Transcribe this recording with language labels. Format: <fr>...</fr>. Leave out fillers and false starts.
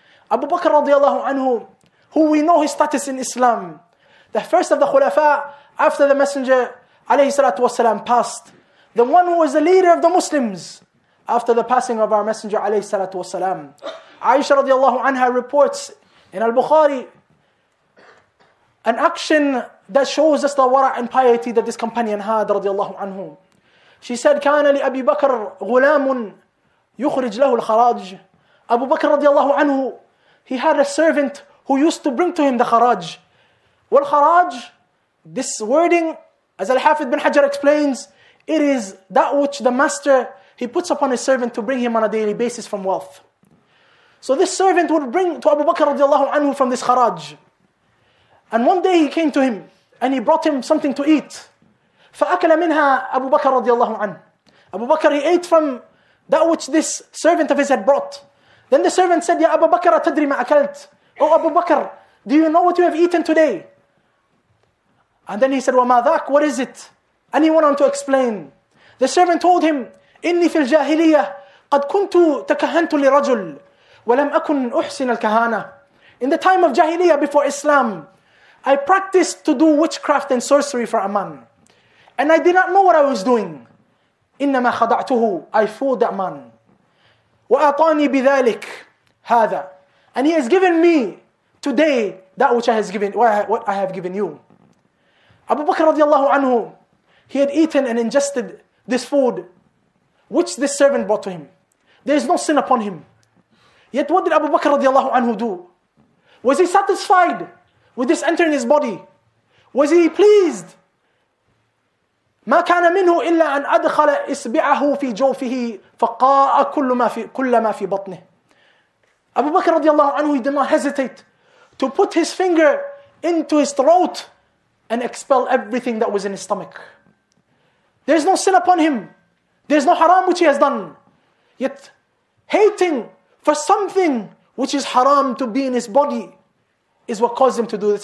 <en>Abu Bakr radiallahu anhu, who we know his status in Islam, the first of the khulafa after the Messenger alayhi salatu wasalam passed, the one who was the leader of the Muslims after the passing of our Messenger alayhi salatu wasalam. Aisha radiallahu anha reports in Al-Bukhari an action that shows us the wara and piety that this companion had radiallahu anhu. She said,</en> <ar>كان لأبي بكر غلام يخرج له الخراج.</ar> <en>Abu Bakr radiallahu anhu, he had a servant who used to bring to him the kharaj. Wal kharaj, this wording, as Al-Hafidh bin Hajar explains, it is that which the master, he puts upon his servant to bring him on a daily basis from wealth. So this servant would bring to Abu Bakr radiallahu anhu from this kharaj. And one day he came to him and he brought him something to eat.</en> <ar>فَأَكَلَ مِنْهَا أَبُو بَكَرَ رَضِيَ عَنْهُ.</ar> <en>Abu Bakr, he ate from that which this servant of his had brought. Then the servant said,</en> <ar>يَا أَبُو بَكَرَ تَدْرِي مَا أَكَلْتُ.</ar> <en>Oh Abu Bakr, do you know what you have eaten today? And then he said,</en> <ar>وَمَا ذَاكُ,</ar> <en>what is it? And he went on to explain. The servant told him,</en> <ar>إِنِّي فِي الْجَاهِلِيَّةِ قَدْ كُنْتُ تَكَهَنْتُ لِرَجُلٍ وَلَمْ أَكُنْ أُحْسِنَ الْكَهَانَةِ.</ar> <en>In the time of Jahiliyyah before Islam, I practiced to do witchcraft and sorcery for a man. And I did not know what I was doing.</en> <ar>إِنَّمَا خَدَعْتُهُ,</ar> <en>I fooled that man.</en> <ar>وَأَعْطَانِي بِذَٰلِكَ هَذَا.</ar> <en>And he has given me today that which I has given, what I have given you. Abu Bakr radiallahu anhu, he had eaten and ingested this food which this servant brought to him. There is no sin upon him. Yet what did Abu Bakr radiallahu anhu do? Was he satisfied with this entering his body? Was he pleased?</en> <ar>ما كان منه إلا أن أدخل إصبعه في جوفه فقاء كل ما في كل ما في بطنه.</ar> <en>أبو بكر رضي الله عنه he did not hesitate to put his finger into his throat and expel everything that was in his stomach. There's no sin upon him. There's no haram which he has done. Yet hating for something which is haram to be in his body is what caused him to do this.</en>